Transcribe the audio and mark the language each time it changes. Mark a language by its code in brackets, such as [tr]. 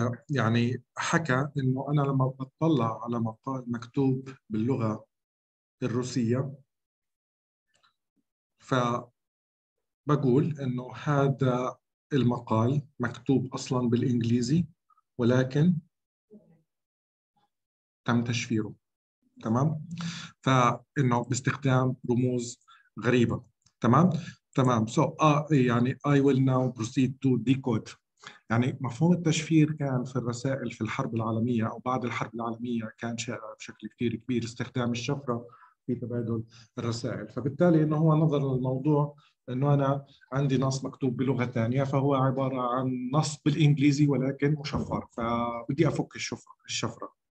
[ar] يعني حكى إنه أنا لما بطلع على مقال مكتوب باللغة الروسية فبقول إنه هذا المقال مكتوب أصلا بالإنجليزي ولكن تم تشفيره، تمام؟ فإنه باستخدام رموز غريبة، تمام. [en] So يعني I will now proceed to decode. [ar] يعني مفهوم التشفير كان في الرسائل في الحرب العالمية أو بعد الحرب العالمية كان شائع بشكل كتير كبير، استخدام الشفرة في تبادل الرسائل. فبالتالي إنه هو نظر للموضوع إنه أنا عندي نص مكتوب بلغة تانية فهو عبارة عن نص بالإنجليزي ولكن مشفر، فبدي أفك الشفرة.